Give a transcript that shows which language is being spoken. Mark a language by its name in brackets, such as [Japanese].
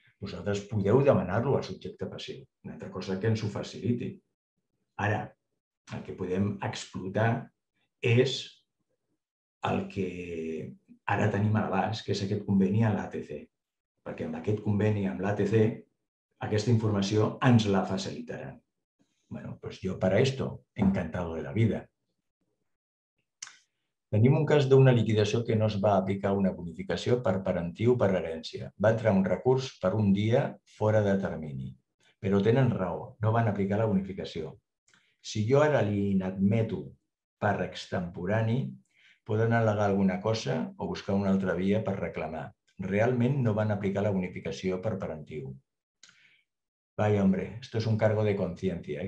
[Catalan] Vosaltres podeu demanar-lo al subjecte passiu. Una altra cosa que ens ho faciliti. Ara, el que podem explotar és el que ara tenim a l'abast, que és aquest conveni a l'ATC. Perquè amb aquest conveni amb l'ATC, aquesta informació ens la facilitaran. [Spanish] Bueno, pues yo para esto, encantado de la vida. [Catalan] Tenim un cas d'una liquidació que no es va aplicar una bonificació per parentiu per herència. Va entrar un recurs per un dia fora de termini. Però tenen raó, no van aplicar la bonificació. Si jo ara li inadmeto per extemporani, poden al·legar alguna cosa o buscar una altra via per reclamar. Realment no van aplicar la bonificació per parentiu. [Spanish] Vaya, hombre, esto es un cargo de conciencia, ¿eh?